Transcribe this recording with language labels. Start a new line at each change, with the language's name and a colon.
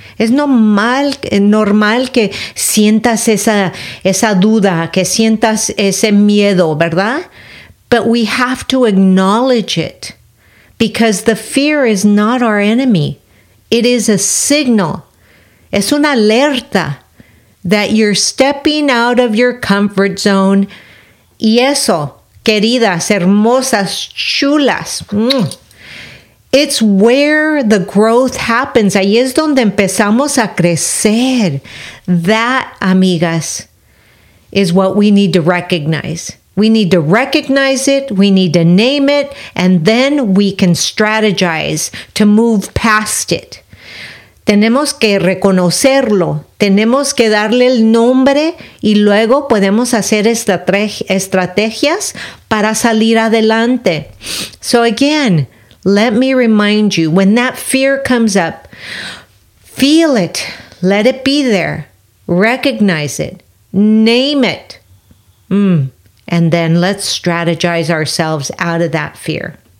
Spanish: Es normal, normal que sientas esa duda, que sientas ese miedo, ¿verdad?
English: But we have to acknowledge it, because the fear is not our enemy. It is a signal.
Spanish: Es una alerta
English: that you're stepping out of your comfort zone.
Spanish: Y eso, queridas, hermosas, chulas,
English: it's where the growth happens.
Spanish: Ahí es donde empezamos a crecer.
English: That, amigas, is what we need to recognize. We need to recognize it. We need to name it. And then we can strategize to move past it.
Spanish: Tenemos que reconocerlo. Tenemos que darle el nombre y luego podemos hacer estrategias para salir adelante.
English: So again, let me remind you, when that fear comes up, feel it. Let it be there. Recognize it. Name it. And then let's strategize ourselves out of that fear.